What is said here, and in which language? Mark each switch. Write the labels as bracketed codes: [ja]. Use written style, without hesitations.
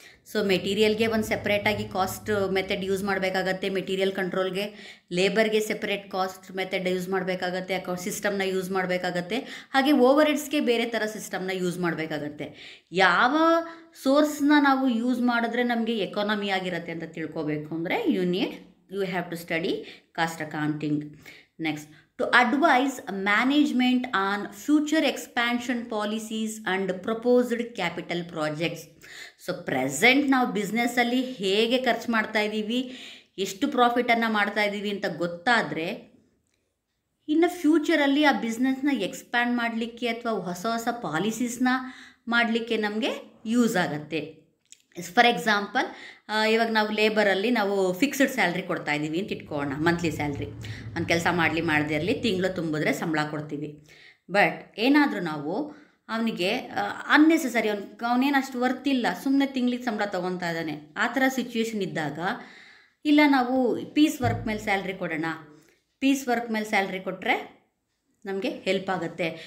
[kn] So ಮೆಟೀರಿಯಲ್ಗೆ ಒಂದು ಸೆಪ್ರೇಟಾಗಿ cost method use ಮಾಡಬೇಕಾಗತ್ತೆ material ಕಂಟ್ರೋಲ್ಗೆ, ಲೇಬರ್ಗೆ separate cost method use ಮಾಡಬೇಕಾಗತ್ತೆ, ಅಕೌಂಟ್ ಸಿಸ್ಟಮ್ನ ಯೂಸ್ ಮಾಡಬೇಕಾಗತ್ತೆ, ಹಾಗೆ ಓವರ್ಹೆಡ್ಸ್ಗೆ ಬೇರೆ ಥರ ಸಿಸ್ಟಮ್ನ ಯೂಸ್ ಮಾಡಬೇಕಾಗತ್ತೆ. ಯಾವ ಸೋರ್ಸ್ನ ನಾವು ಯೂಸ್ ಮಾಡಿದ್ರೆ ನಮಗೆ ಎಕಾನಮಿ ಆಗಿರುತ್ತೆ ಅಂತ ತಿಳ್ಕೋಬೇಕು ಅಂದರೆ [en] You need you have to study cost accounting. Next, to advise management on future expansion policies and proposed capital projects. [kn] So present now business alli hege kharchu maartta idivi, eshtu profit anna maartta idivi anta gottadre, ಇನ್ನು ಫ್ಯೂಚರಲ್ಲಿ ಆ ಬಿಸ್ನೆಸ್ನ expand ಮಾಡಲಿಕ್ಕೆ ಅಥವಾ ಹೊಸ ಹೊಸ ಪಾಲಿಸೀಸ್ನ ಮಾಡಲಿಕ್ಕೆ ನಮಗೆ use ಆಗುತ್ತೆ. For example, ಇವಾಗ ನಾವು ಲೇಬರಲ್ಲಿ ನಾವು ಫಿಕ್ಸ್ಡ್ ಸ್ಯಾಲ್ರಿ ಕೊಡ್ತಾ ಇದ್ದೀವಿ ಅಂತ ಇಟ್ಕೋಣ. ಮಂತ್ಲಿ ಸ್ಯಾಲ್ರಿ ಒಂದು ಕೆಲಸ ಮಾಡಲಿ ಮಾಡದೇ ಇರಲಿ, ತಿಂಗಳು ತುಂಬಿದ್ರೆ ಸಂಬಳ ಕೊಡ್ತೀವಿ. ಬಟ್ ಏನಾದರೂ ನಾವು ಅವನಿಗೆ ಅನ್ನೆಸೆಸರಿ, ಅವನೇನು ಅಷ್ಟು ವರ್ತ್ ಇಲ್ಲ, ಸುಮ್ಮನೆ ತಿಂಗಳಿಗೆ ಸಂಬಳ ತೊಗೊತಾ ಇದ್ದಾನೆ, ಆ ಥರ ಸಿಚುಯೇಷನ್ ಇದ್ದಾಗ, ಇಲ್ಲ ನಾವು ಪೀಸ್ ವರ್ಕ್ ಮೇಲೆ ಸ್ಯಾಲ್ರಿ ಕೊಡೋಣ, ಪೀಸ್ ವರ್ಕ್ ಮೇಲೆ ಸ್ಯಾಲ್ರಿ ಕೊಟ್ಟರೆ ನಮಗೆ ಹೆಲ್ಪ್ ಆಗುತ್ತೆ.